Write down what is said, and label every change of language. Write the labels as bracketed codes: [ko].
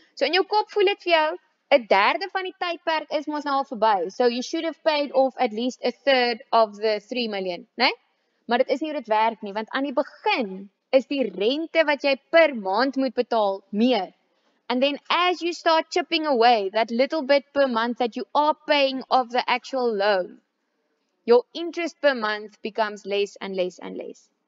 [af] So in jou kop voel dit vir jou 'n derde van die tydperk is mos nou al verby. [en] So you should have paid off at least a third of the 3 million, né? [af] Nee? Maar dit is nie hoe dit werk nie, want aan die begin is die rente wat jy per maand moet betaal meer. [en] And then as you start chipping away that little bit per month that you are paying of the actual loan, your interest per month becomes less and less and less.